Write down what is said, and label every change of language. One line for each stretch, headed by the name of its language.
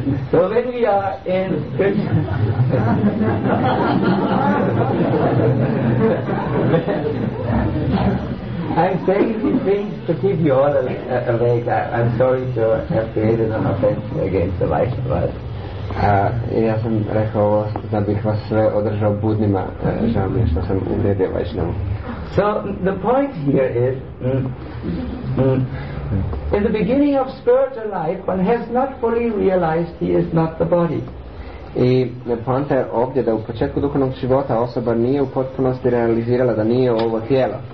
English: So when we are in I'm saying these things to keep you all awake. I'm sorry to have created an offense against the Vaishnavas.
Croatian: Ja sam rekao ovo da bih vas sve održao budnima, žao mi je što sam uvredio Vaishnavu.
English: So the point here is, in the beginning of spiritual life, one has not fully realized he is not the body.
Croatian: I poanta je ovdje da u početku duhovnog života osoba nije u potpunosti realizirala da nije ovo tijelo.